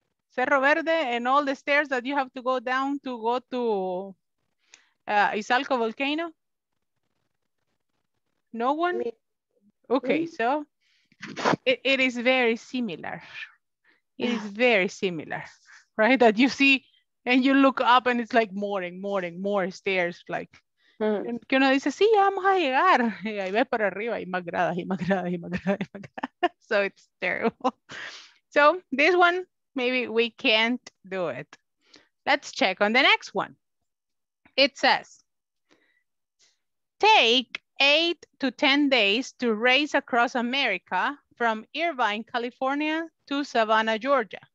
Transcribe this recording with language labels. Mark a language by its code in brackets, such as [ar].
[en] Cerro Verde and all the stairs that you have to go down to go to Izalco Volcano? No one? Me. Okay, so it is very similar. It is very similar, right? That you see and you look up and it's like more and more and more stairs. [es] Like, que uno dice, sí, vamos a llegar. Y ahí ves para arriba y más gradas y más gradas y más gradas. [en] So it's terrible. So this one, maybe we can't do it. Let's check on the next one. It says, take 8 to 10 days to race across America from Irvine, California to Savannah, Georgia.